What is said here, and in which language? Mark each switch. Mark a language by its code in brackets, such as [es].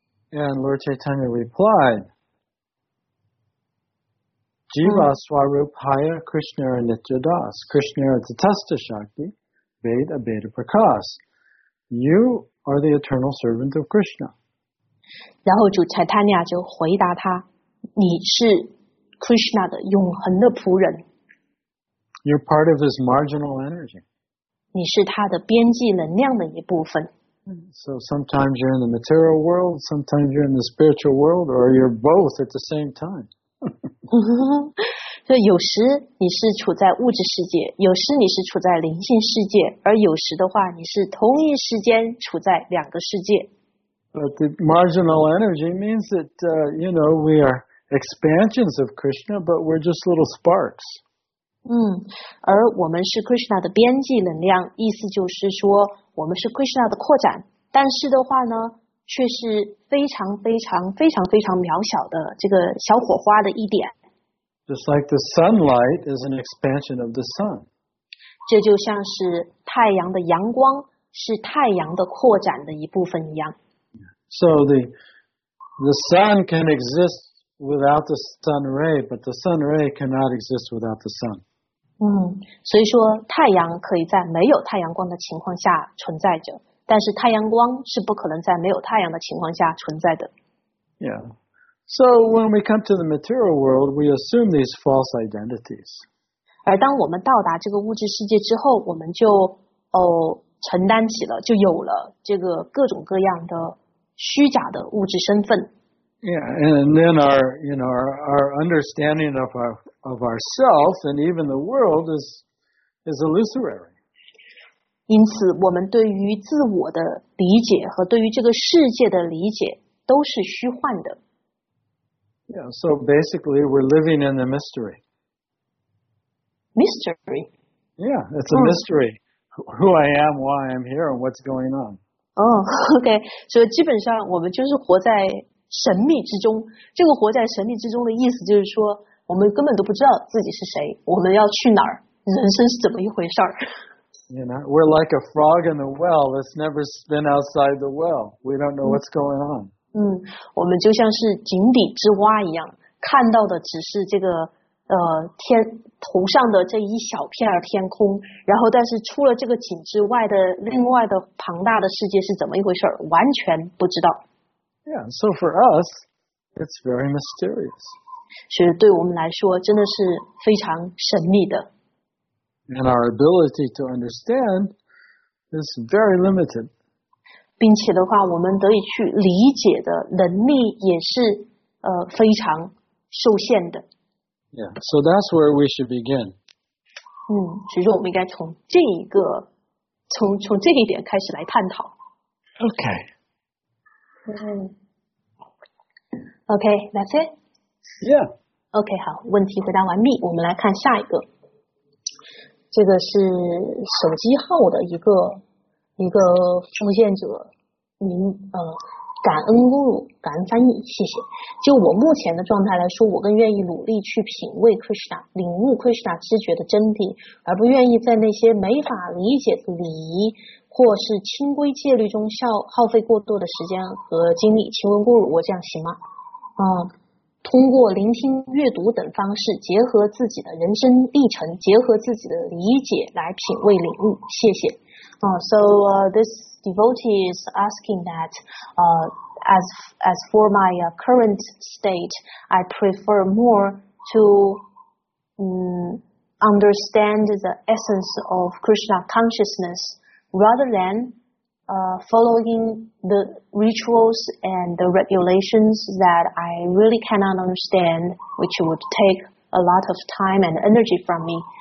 [en] And Lord Chaitanya replied, [sa] Jiva Swarup Haya Krishna Nitya Das Krishna Tatasta Shakti Veda Abheda Prakas [en] You are the eternal servant of Krishna. [zh] 然后主 Chaitanya 就回答他，你是 Krishna 的永恒的仆人。 [en] You're part of his marginal energy. [zh] 你是他的边际能量的一部分。 [en] So sometimes you're in the material world, sometimes you're in the spiritual world, or you're both at the same time. [zh] 所以有时你是处在物质世界，有时你是处在灵性世界，而有时的话，你是同一时间处在两个世界。 [en] But the marginal energy means that, you know, we are expansions of Krishna, but we're just little sparks. [zh] 而我们是 Krishna 的边际能量，意思就是说，我们是 Krishna 的扩展，但是的话呢？却是非常非常非常非常渺小的这个小火花的一点。 [en] Just like the sunlight is an expansion of the sun. [zh] 这就像是太阳的阳光是太阳的扩展的一部分一样。 [en] So the sun can exist without the sun ray, but the sun ray cannot exist without the sun. [zh] 所以说太阳可以在没有太阳光的情况下存在着。但是太阳光是不可能在没有太阳的情况下存在的。 [en] Yeah. So when we come to the material world, we assume these false identities. [zh] 而当我们到达这个物质世界之后，我们就承担起了，就有了这个各种各样的虚假的物质身份。 [en] Yeah, and then our understanding of ourselves and even the world is illusory. [zh] 因此我们对于自我的理解和对于这个世界的理解都是虚幻的。 [en] Yeah, so basically we're living in the mystery. Mystery? Yeah, it's a mystery. Who I am, why I'm here, and what's going on. Okay. [zh] 所以基本上我们就是活在神秘之中。这个活在神秘之中的意思就是说我们根本都不知道自己是谁，我们要去哪儿，人生是怎么一回事儿。 [en] You know, we're like a frog in the well that's never been outside the well. We don't know what's going on. [zh] 我们就像是井底之蛙一样，看到的只是这个天头上的这一小片天空，然后但是除了这个井之外的另外的庞大的世界是怎么一回事，完全不知道。 [en] Yeah, so for us, it's very mysterious. [zh] 所以对我们来说真的是非常神秘的。 [en] And our ability to understand is very limited. [zh] 并且的话，我们得以去理解的能力也是非常受限的。 [en] Yeah, so that's where we should begin. [zh] 其实我们应该从这一个，从这一点开始来探讨。 [en] Okay. Okay, that's it. Yeah. [zh] Okay, 好，问题回答完毕，我们来看下一个。这个是手机号的一个复现者，您感恩咕噜，感恩翻译，谢谢。就我目前的状态来说，我更愿意努力去品味 Krishna， 领悟 Krishna 知觉的真谛，而不愿意在那些没法理解的礼仪或是清规戒律中耗费过多的时间和精力。请问咕噜，我这样行吗？通过聆听、阅读等方式，结合自己的人生历程，结合自己的理解来品味领悟。谢谢。 [en] So this devotee is asking that, as for my current state, I prefer more to understand the essence of Krishna consciousness rather than following the rituals and the regulations that I really cannot understand, which would take a lot of time and energy from me.